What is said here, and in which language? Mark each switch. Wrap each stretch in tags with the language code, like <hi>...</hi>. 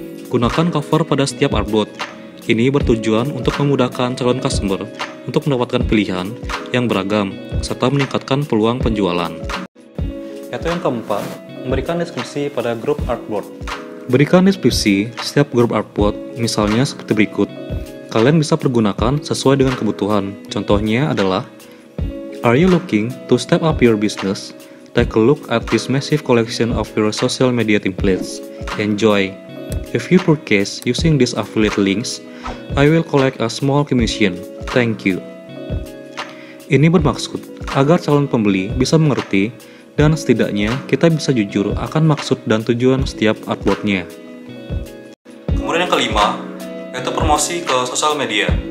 <id>Gunakan cover pada setiap artboard. Ini bertujuan untuk memudahkan calon customer untuk mendapatkan pilihan yang beragam serta meningkatkan peluang penjualan. Itu yang keempat, memberikan diskusi pada grup artboard. Berikan deskripsi setiap grup artboard, misalnya seperti berikut. Kalian bisa pergunakan sesuai dengan kebutuhan. Contohnya adalah,</id> <en>are you looking to step up your business? Take a look at this massive collection of your social media templates. Enjoy! If you purchase using these affiliate links, I will collect a small commission. Thank you!</en> <id>Ini bermaksud agar calon pembeli bisa mengerti dan setidaknya kita bisa jujur akan maksud dan tujuan setiap artboardnya. Kemudian yang kelima, yaitu promosi ke sosial media.</id>